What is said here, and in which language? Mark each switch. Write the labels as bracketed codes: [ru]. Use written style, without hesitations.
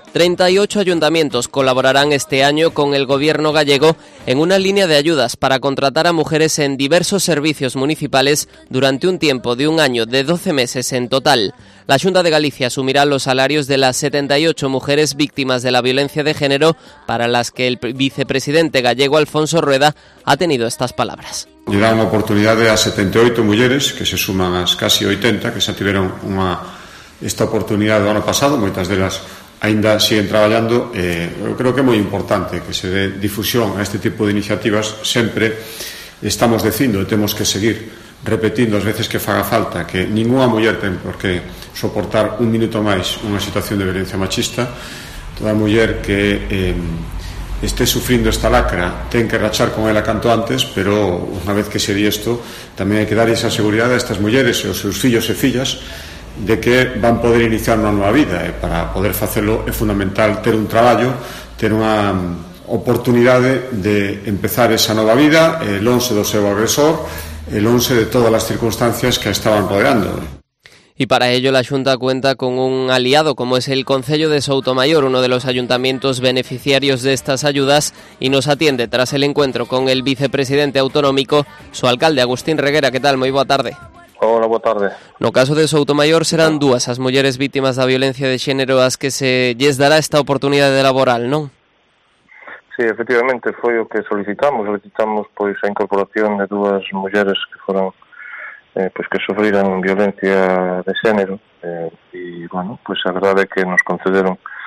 [es] 38 ayuntamientos colaborarán este año con el gobierno gallego en una línea de ayudas para contratar a mujeres en diversos servicios municipales durante un tiempo de un año de 12 meses en total. La Xunta de Galicia asumirá los salarios de las 78 mujeres víctimas de la violencia de género para las que el vicepresidente gallego Alfonso Rueda ha tenido estas palabras. [gl] Lle dá unha oportunidade a 78 mulleres que se suman ás casi 80 que xa tiveron esta oportunidade do ano pasado, moitas delas aínda siguen traballando. Eu creo que é moi importante que se dé difusión a este tipo de iniciativas. Sempre estamos dicindo e temos que seguir repetindo as veces que faga falta que ninguna muller ten por que soportar un minuto máis unha situación de violencia machista. Toda muller que esté sufrindo esta lacra, ten que rachar con ela canto antes, pero unha vez que se di isto, tamén hai que dar esa seguridade a estas mulleres e aos seus fillos e fillas de que van poder iniciar unha nova vida. E para poder facelo é fundamental ter un traballo, ter unha oportunidade de empezar esa nova vida, lonxe do seu agresor, lonxe de todas as circunstancias que a estaban rodeando. [es] Y para ello la Xunta cuenta con un aliado como es el Concello de Soutomaior, uno de los ayuntamientos beneficiarios de estas ayudas, y nos atiende tras el encuentro con el vicepresidente autonómico, su alcalde Agustín Reguera. ¿Qué tal? Muy boa tarde. [gl] Hola, boa tarde. No caso de Soutomaior serán dúas as mulleres víctimas da violencia de xénero as que se lles dará esta oportunidade de laboral, non? Sí, efectivamente, foi o que solicitamos pois a incorporación de dúas mulleres que foron pues que sufriran violencia de xénero, e bueno, pues a verdade é que nos concederon